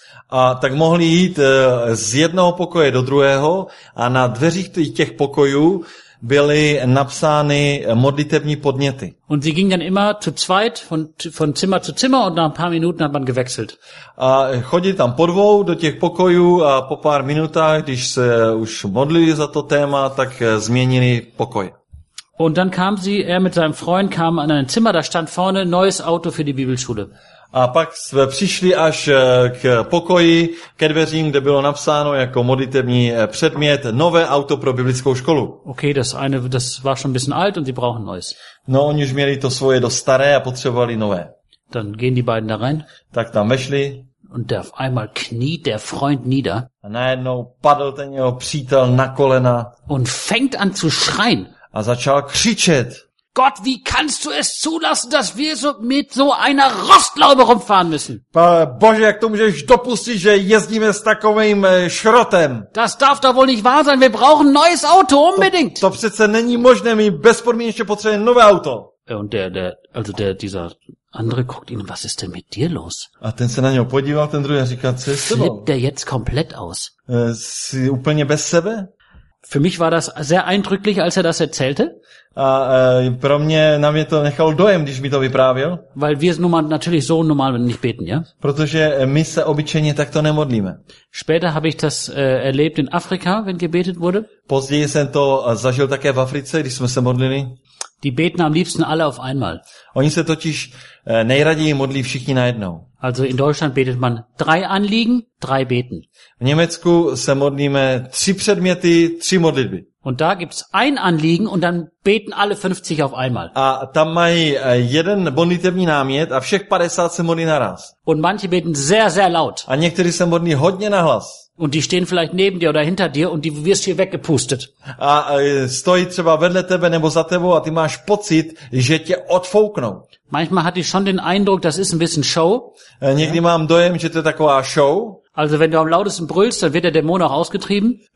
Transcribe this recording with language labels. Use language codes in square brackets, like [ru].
[cs] A tak mohli jít z jednoho pokoje do druhého a na dveřích těch pokojů byly napsány modlitevní podněty. [de] Und sie ging dann immer zu zweit von Zimmer zu Zimmer und nach ein paar Minuten hat man gewechselt. [cs] A chodili tam po dvou do těch pokojů a po pár minutách, když se už modlili za to téma, tak změnili pokoj. [de] Und dann kam sie, er mit seinem Freund kam an ein Zimmer, da stand vorne neues Auto für die Bibelschule. [cs] A pak jsme přišli až k pokoji, ke dveřím, kde bylo napsáno jako modlitební předmět nové auto pro biblickou školu. [de] Okay, das war schon ein bisschen alt und sie brauchen neues. [cs] No, oni už měli to svoje dost staré a potřebovali nové. [de] Dann gehen die beiden da rein. [cs] Tak tam vešli. [de] Und da auf einmal kniet der Freund nieder. [cs] A najednou padl ten jeho přítel na kolena. [de] Und fängt an zu schreien. [cs] A začal křičet. [de] Gott, wie kannst du es zulassen, dass wir so mit so einer Rostlaube rumfahren müssen? [cs] Bože, jak to můžeš dopustit, že jezdíme s takovým šrotem? [de] Das darf doch wohl nicht wahr sein, wir brauchen neues Auto unbedingt. [cs] To přece není možné, my bezpodmínečně potřebujeme nové auto. [de] Und dieser andere guckt ihn, was ist denn mit dir los? [cs] A ten se na něho podíval, ten druhý, a říká, co je s tebou? [de] Flippt der jetzt komplett aus? [cs] Jsi úplně bez sebe? [de] Für mich war das sehr eindrücklich, als er das erzählte. [cs] Pro mě, na mě to nechal dojem, když mi to vyprávěl. [de] Weil wir nun natürlich so normal nicht beten, ja? [cs] Protože my se obyčejně takto nemodlíme. [de] Später habe ich das erlebt in Afrika, wenn gebetet wurde. [cs] Později jsem to zažil také v Africe, když jsme se modlili. [de] Die beten am liebsten alle auf einmal. [cs] Oni se totiž nejraději modlí všichni najednou. [de] Also in Deutschland betet man drei Anliegen, drei Beten. [cs] V Německu se modlíme tři předměty, tři modlitby. [de] Und da gibt's ein Anliegen und dann beten alle 50 auf einmal. [cs] A tam mají jeden modlitevní námět a všech 50 se modlí naraz. [de] Und manche beten sehr, sehr laut. [cs] A někteří se modlí hodně nahlas. [de] Und die stehen vielleicht neben dir oder hinter dir und die wirst hier weggepustet. [cs] A stojí třeba vedle tebe nebo za tebou a ty máš pocit, že tě odfouknou. [de] Manchmal hatte ich schon den Eindruck, das ist ein bisschen Show. [cs] Někdy mám dojem, že to je taková show. [de] Also wenn du am lautesten brüllst, dann wird der Dämon auch ausgetrieben.